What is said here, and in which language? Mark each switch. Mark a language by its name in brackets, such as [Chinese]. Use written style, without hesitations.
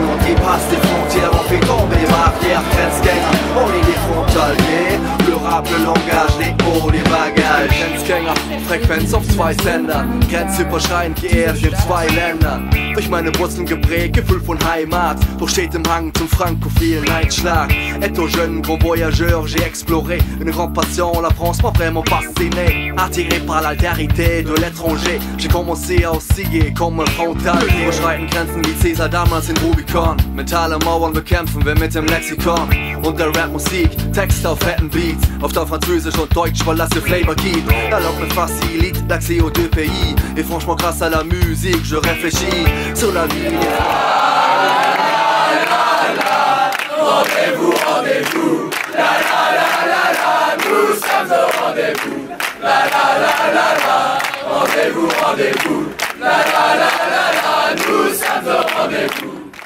[French] Und die passe frontière auf et tombe. [German] Ich mach hier, [French] Grenzgänger, on est des frontaliers. Le rap, le langage, rythmons les bagages. [German] Grenzgänger, Frequenz auf zwei Sendern. Grenzüberschreitend geehrt in zwei Ländern. Durch meine Wurzeln geprägt, Gefühl von Heimat. Doch steht im Hang zum frankophilen Einschlag. [French] Etto jeune, gros voyageur, j'ai exploré. Une grande passion, la France m'a vraiment fasciné. Attiré par l'altérité de l'étranger. J'ai commencé à osciller comme un frontal. [German] Überschreiten Grenzen wie César damals in Rubicon. Mentale Mauern bekämpfen wir mit dem Lexikon. Und der Rap-Musik, Texte auf fetten Beats. Auf der Französisch und Deutsch, weil das ihr Flavor gibt. [French] La langue me facilite l'accès aux deux pays. Et franchement, grâce à la musique, je réfléchis. Sur la vie. La la la la, rendez-vous, rendez-vous. La la la la la, nous sommes au rendez-vous. La la la la la, rendez-vous, rendez-vous. La la la la la, nous sommes au rendez-vous.